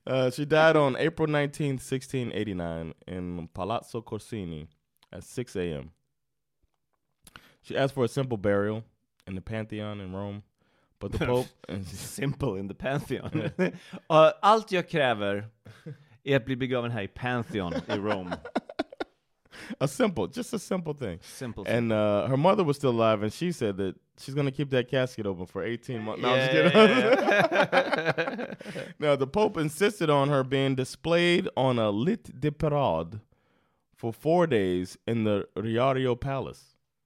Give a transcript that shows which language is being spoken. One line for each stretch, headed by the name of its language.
English: She died on April 19th, 1689 in Palazzo Corsini at 6 a.m. She asked for a simple burial in the Pantheon in Rome, but the Pope... simple in the Pantheon.
Swedish: allt jag kräver är att bli begraven här I Pantheon I Rome.
English: A simple, just a simple thing. Simple. And her mother was still alive, and she said that she's going to keep that casket open for 18 months. No, yeah, I'm just kidding. Yeah, yeah. Now, the Pope insisted on her being displayed on a lit de parade for 4 days in the Riario Palace.